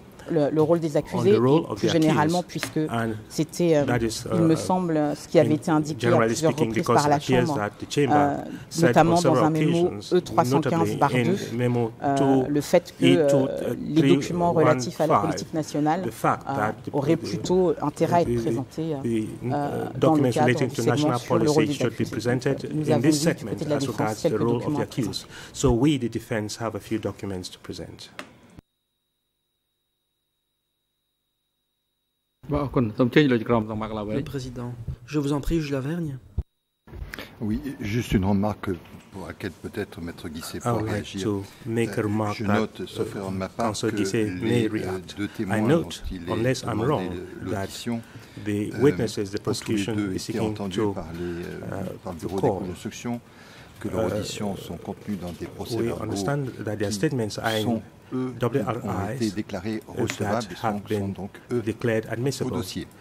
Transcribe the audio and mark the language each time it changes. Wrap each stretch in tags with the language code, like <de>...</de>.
<fr>le rôle des accusés et plus généralement, puisque c'était, il me semble, ce qui avait été indiqué à plusieurs reprises par la Chambre, notamment dans un mémo E315-2, le fait que les documents relatifs à la politique nationale auraient plutôt intérêt à être présentés dans le cadre du segment sur le rôle des accusés. Nous avons vu du côté de la défense quelques documents à présenter.</fr> <en>So we, the defense, have a few documents to present.</en> <fr>Le Président, je vous en prie, Jules Lavergne. Oui, juste une remarque pour laquelle peut-être Maître Guisset pourrait agir.</fr> <en>To make a remark</en> <fr>je note, sauf erreur de ma part, que les deux témoins dont il est demandé l'audition ont tous les deux été entendus par le bureau des constructions, que leurs auditions sont contenues dans des procès-verbaux ont été déclarés recevables et sont donc eux au dossier.</fr>